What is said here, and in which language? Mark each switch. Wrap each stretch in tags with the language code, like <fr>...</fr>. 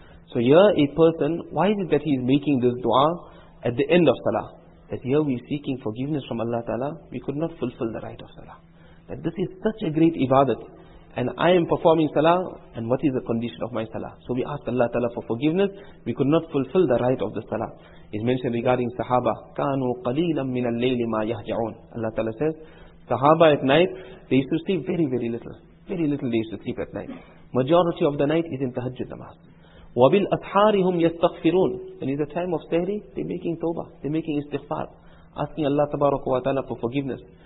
<en>So here a person, why is it that he is making this dua at the end of salah? That here we are seeking forgiveness from Allah Ta'ala, we could not fulfill the right of salah. That this is such a great ibadat, and I am performing salah, and what is the condition of my salah? So we ask Allah Ta'ala for forgiveness, we could not fulfill the right of the salah. It's mentioned regarding sahaba,</en> <ar>كَانُوا قَلِيلًا مِّنَ اللَّيْلِ مَا يَهْجَعُونَ.</ar> <en>Allah Ta'ala says, sahaba at night, they used to sleep very, very little. Very little they used to sleep at night. Majority of the night is in tahajjud namaz.</en> <ar>وَبِالْ أَثْحَارِهُمْ يَسْتَغْفِرُونَ.</ar> <en>And in the time of sehri, they're making tawbah, they're making istighfar, asking Allah tabarak wa ta'ala for forgiveness.</en>